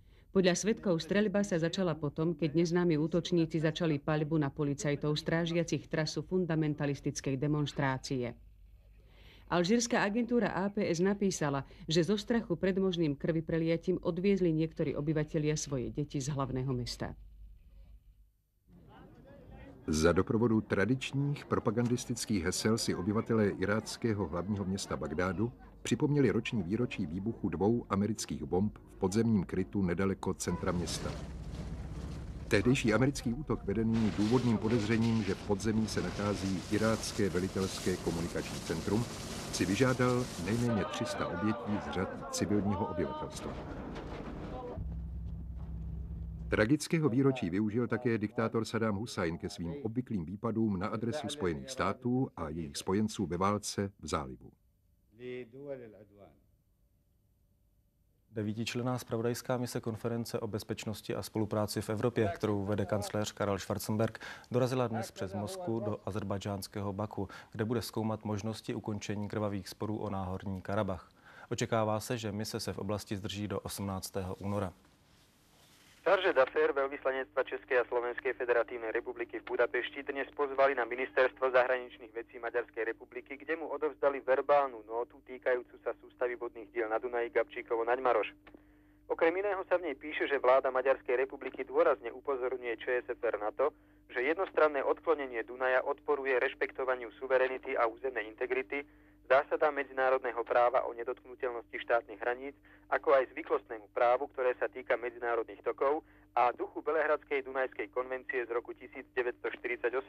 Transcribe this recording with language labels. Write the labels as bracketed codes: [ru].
[sk] Podľa svedkov streľba sa začala potom, keď neznámi útočníci začali paľbu na policajtov strážiacich trasu fundamentalistickej demonstrácie. Alžírska agentúra APS napísala, že zo strachu pred možným krvipreliatím odviezli niektorí obyvatelia svoje deti z hlavného mesta. [cs] Za doprovodu tradičních propagandistických hesel si obyvatelé iráckého hlavního města Bagdádu připomněli roční výročí výbuchu dvou amerických bomb v podzemním krytu nedaleko centra města. Tehdejší americký útok vedený důvodným podezřením, že v podzemí se nachází irácké velitelské komunikační centrum, si vyžádal nejméně 300 obětí z řad civilního obyvatelstva. Tragického výročí využil také diktátor Saddam Hussein ke svým obvyklým výpadům na adresu Spojených států a jejich spojenců ve válce v zálivu. Devítičlenná zpravodajská mise konference o bezpečnosti a spolupráci v Evropě, kterou vede kancléř Karel Schwarzenberg, dorazila dnes přes Moskvu do azerbajdžánského Baku, kde bude zkoumat možnosti ukončení krvavých sporů o Náhorní Karabach. Očekává se, že mise se v oblasti zdrží do 18. února. [sk] Šarže d'affaires veľvyslanectva Českej a Slovenskej federatívnej republiky v Budapešti dnes pozvali na ministerstvo zahraničných vecí Maďarskej republiky, kde mu odovzdali verbálnu nótu týkajúcu sa sústavy vodných diel na Dunaji Gabčíkovo-Nagymaros. Okrem iného sa v nej píše, že vláda Maďarskej republiky dôrazne upozorňuje ČSFR na to, že jednostranné odklonenie Dunaja odporuje rešpektovaniu suverenity a územnej integrity, zásada medzinárodného práva o nedotknuteľnosti štátnych hraníc, ako aj zvyklostnému právu, ktoré sa týka medzinárodných tokov a duchu Belehradskej Dunajskej konvencie z roku 1948.